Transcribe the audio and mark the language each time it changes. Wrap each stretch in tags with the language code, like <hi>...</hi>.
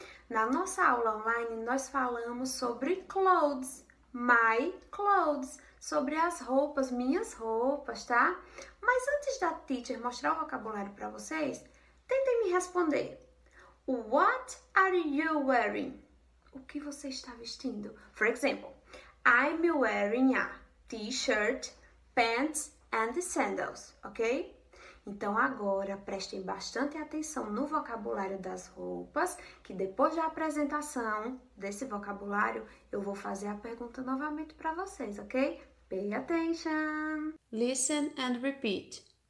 <pt>Na nossa aula online, nós falamos sobre clothes.</pt> <en>My clothes,</en> <pt>sobre as roupas, minhas roupas, tá? Mas antes da teacher mostrar o vocabulário para vocês, tentem me responder.</pt> <en>What are you wearing?</en> <pt>O que você está vestindo?</pt> <en>For example, I'm wearing a t-shirt, pants and sandals, ok?</en> <pt>Então agora prestem bastante atenção no vocabulário das roupas, que depois da apresentação desse vocabulário, eu vou fazer a pergunta novamente para vocês, ok?</pt> <en>Pay attention! Listen and repeat.</en>